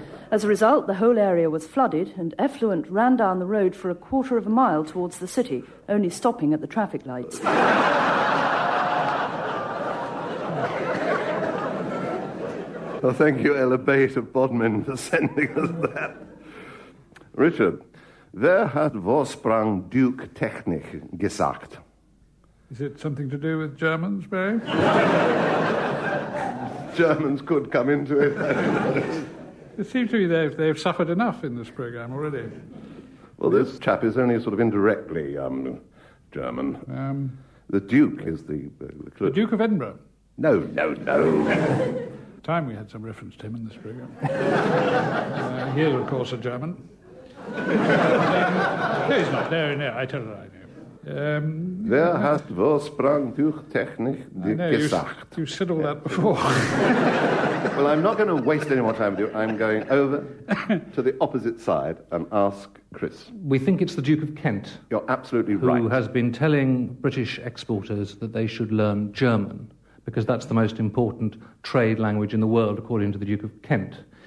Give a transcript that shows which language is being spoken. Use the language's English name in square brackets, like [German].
[English] As a result, the whole area was flooded, and effluent ran down the road for a quarter of a mile towards the city, only stopping at the traffic lights. Well, thank you, Ella Bate of Bodmin, for sending us that. [German] Richard, wer hat Vorsprung Duke Technik gesagt? [English] Is it something to do with Germans, Barry? Germans could come into it. It seems to me they've suffered enough in this programme already. Well, this chap is only sort of indirectly German. The Duke is the clue. The Duke of Edinburgh? No, no, no. Time we had some reference to him in this programme. He is, of course, a German. he's not. No, I tell you, I know. [German] Wer hat Vorsprung durch Technik gesagt? [English] You've said all that before. Well, I'm not going to waste any more time with you. I'm going over to the opposite side and ask Chris. We think it's the Duke of Kent. You're absolutely who right. Who has been telling British exporters that they should learn German, because that's the most important trade language in the world, according to the Duke of Kent.